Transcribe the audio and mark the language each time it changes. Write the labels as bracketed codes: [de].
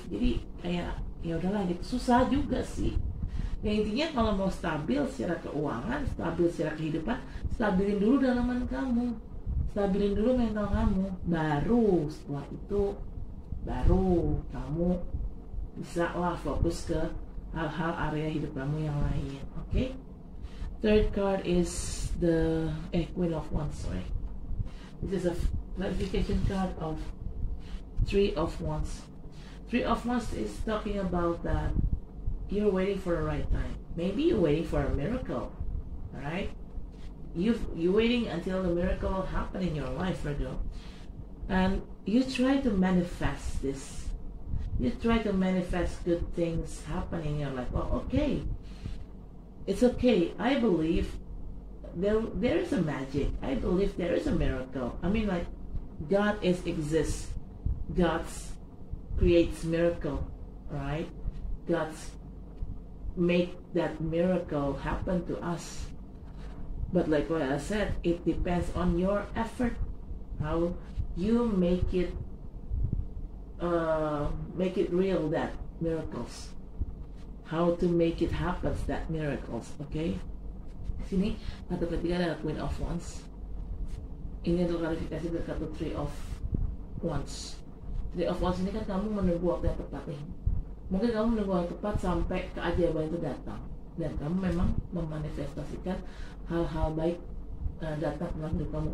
[id] Jadi kayak ya udahlah gitu, susah juga sih. Ya intinya kalau mau stabil secara keuangan, stabil secara kehidupan, stabilin dulu dalaman kamu, stabilin dulu mental kamu, baru setelah itu baru kamu bisa lah fokus ke hal-hal area hidup kamu yang lain. Okay? [en] Third card is the Queen of Wands, sorry. This is a clarification card of Three of Wands. Three of Wands is talking about that you're waiting for the right time. Maybe you're waiting for a miracle, right? You're waiting until the miracle happen in your life, Virgo. And you try to manifest this. You try to manifest good things happening in your life. Well, okay. It's okay. I believe there is a magic. I believe there is a miracle. I mean, like, God exists. God creates miracle, right? God make that miracle happen to us. But like what I said, it depends on your effort, how you make it real, that miracles, how to make it happen, that miracles. [id] Okay, sini kartu ketiga adalah Queen of Wands. Ini adalah klarifikasi dari kartu Three of Wands. Three of Wands ini kan kamu menunggu waktu yang tepat nih. Mungkin kamu menunggu waktu tepat sampai keajaiban itu datang. Dan kamu memang memanifestasikan hal-hal baik datang dalam hidup kamu.